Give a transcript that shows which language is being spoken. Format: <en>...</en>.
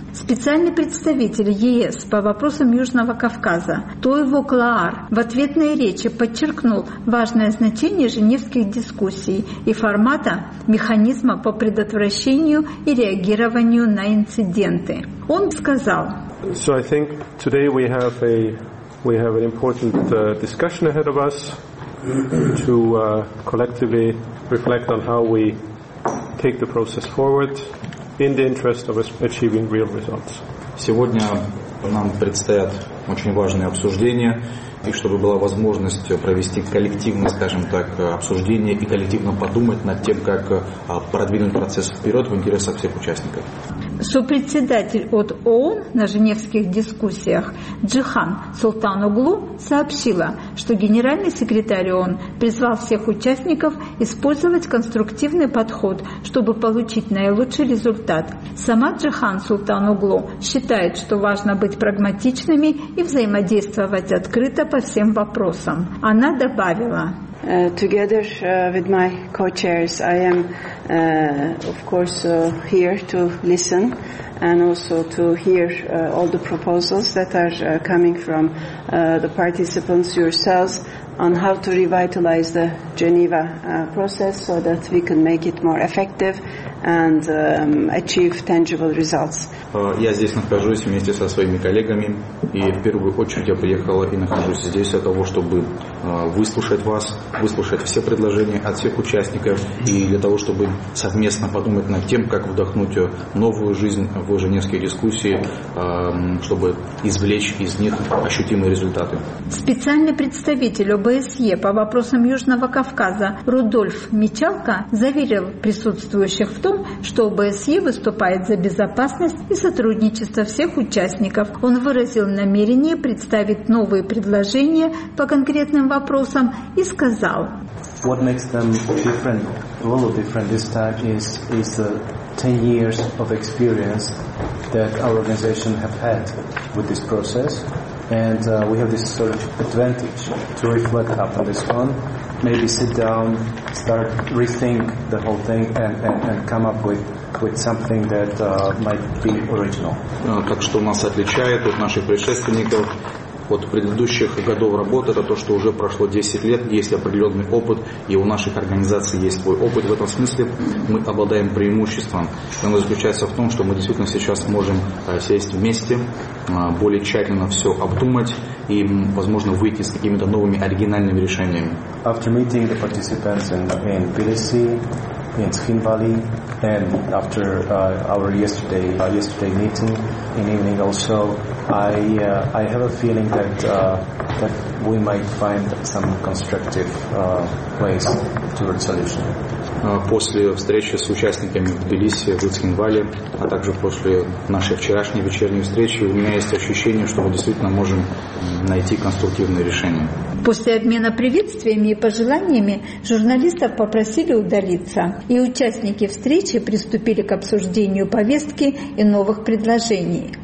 <ru>Специальный представитель ЕС по вопросам Южного Кавказа Тойво Клаар в ответной речи подчеркнул важное значение женевских дискуссий и формата механизма по предотвращению и реагированию на инциденты. Он сказал:</ru> <en>So I think today we have an important discussion ahead of us to collectively reflect on how we take the process forward in the interest of achieving real results.</en> <ru>Сегодня нам предстоят очень важные обсуждения. И чтобы была возможность провести коллективное, скажем так, обсуждение и коллективно подумать над тем, как продвинуть процесс вперед в интересах всех участников. Сопредседатель от ООН на женевских дискуссиях Джихан Султан-Углу сообщила, что генеральный секретарь ООН призвал всех участников использовать конструктивный подход, чтобы получить наилучший результат. Сама Джихан Султан-Углу считает, что важно быть прагматичными и взаимодействовать открыто по всем вопросам. Она добавила:</ru> <en>Together with my co-chairs, I am, of course, here to listen and also to hear all the proposals that are coming from the participants yourselves on how to revitalize the Geneva process so that we can make it more effective and achieve tangible results.</en> <ru>Я здесь нахожусь вместе со своими коллегами, и в первую очередь я приехала и нахожусь здесь для того, чтобы выслушать вас, выслушать все предложения от всех участников, и для того, чтобы совместно подумать над тем, как вдохнуть новую жизнь в женевские дискуссии, чтобы извлечь из них ощутимые результаты. Специальный представитель ОБСЕ по вопросам Южного Кавказа Рудольф Мичалка заверил присутствующих в том, что ОБСЕ выступает за безопасность и сотрудничество всех участников. Он выразил намерение представить новые предложения по конкретным вопросам и сказал:</ru> <en>What makes them different, a little different this time is the 10 years of experience that our organization have had with this process. And we have this sort of advantage to reflect upon this one. Maybe sit down, start rethink the whole thing and come up with something that might be original.</en> <ru>Так что нас отличает от наших предшественников от предыдущих годов работы, это то, что уже прошло 10 лет, есть определенный опыт, и у наших организаций есть свой опыт. В этом смысле мы обладаем преимуществом. И оно заключается в том, что мы действительно сейчас можем сесть вместе, более тщательно все обдумать и, возможно, выйти с какими-то новыми оригинальными решениями.</ru> <en>After meeting the participants in PDC, in Tsim Valley, and after our yesterday meeting in evening also, I have a feeling that that we might find some constructive ways towards solution.</en> <ru>После встречи с участниками в Тбилиси, в Цхинвале, а также после нашей вчерашней вечерней встречи, у меня есть ощущение, что мы действительно можем найти конструктивное решение. После обмена приветствиями и пожеланиями журналистов попросили удалиться, и участники встречи приступили к обсуждению повестки и новых предложений.</ru>